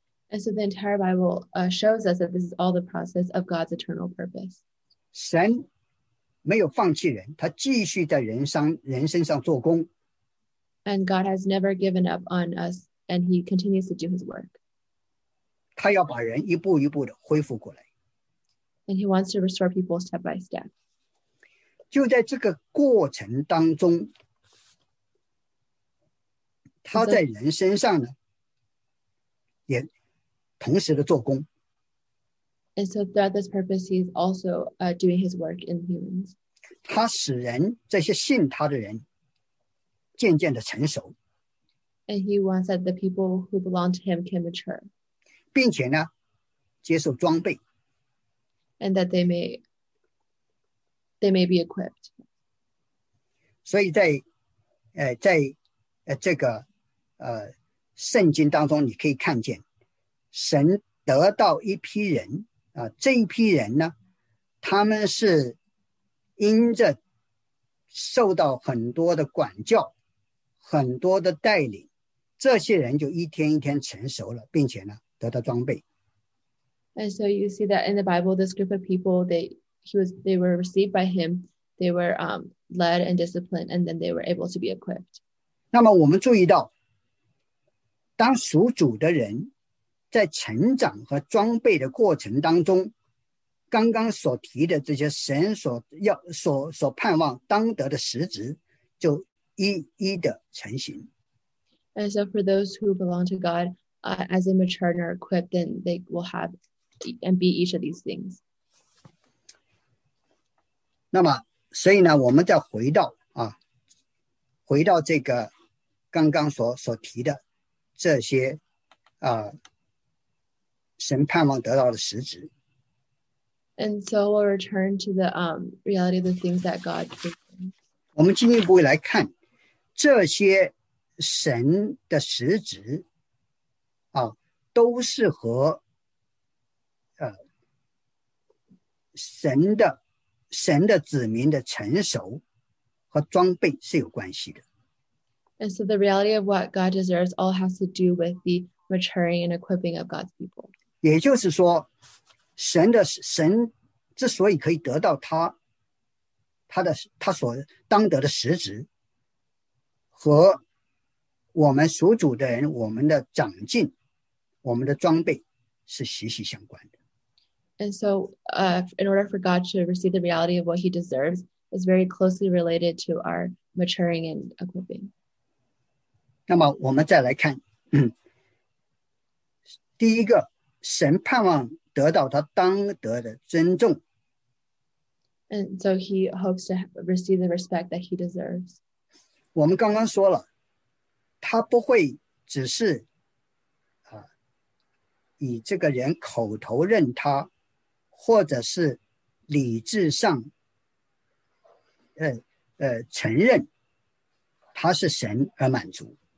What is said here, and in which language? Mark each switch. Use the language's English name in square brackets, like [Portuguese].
[English] And so the entire Bible shows us that this is all the process of God's eternal purpose. [Chinese] 神没有放弃人，他继续在人身上做工。 [English] And God has never given up on us, and he continues to do his work. [Chinese] 他要把人一步一步的恢复过来。 [English] And he wants to restore people step by step. [Chinese] 就在这个过程当中，他在人身上呢，也同时的做工。 [English] And so throughout this purpose, he's also doing his work in humans. [Chinese] 他使人这些信他的人渐渐的成熟。 [English] And he wants that the people who belong to him can mature. [Chinese] 并且呢，接受装备。 [English] And that they may be equipped. [Chinese] 所以在这个圣经当中，你可以看见神得到一批人。这一批人呢，他们是因着受到很多的管教，很多的带领，这些人就一天一天成熟了，并且呢得到装备。 [English] And so you see that in the Bible, this group of people, they were received by him, they were led and disciplined, and then they were able to be equipped. [Chinese] 那么我们注意到，当属主的人在成长和装备的过程当中，刚刚所提的这些神所要所盼望当得的实质，就一一的成型。 [English] And so for those who belong to God, as they mature and are equipped, then they will have and be each of these things. [Chinese] 那么，所以呢，我们再回到这个刚刚所提的这些神盼望得到的实质。 [English] And so we'll return to the reality of the things that God gives. [Chinese] 我们进一步来看这些神的实质都是和神的子民的成熟和装备是有关系的。 [English] And so the reality of what God deserves all has to do with the maturing and equipping of God's people. [Chinese] 也就是说，神之所以可以得到他所当得的实质，和我们属主的人，我们的长进，我们的装备是息息相关的。 [English] And so, in order for God to receive the reality of what He deserves, is very closely related to our maturing and equipping. [Chinese] 那么我们再来看，第一个。神盼望得到他当得的尊重。 [English] And so he hopes to receive the respect that he deserves. [Chinese] 我们刚刚说了，他不会只是以这个人口头认他，或者是理智上承认他是神而满足。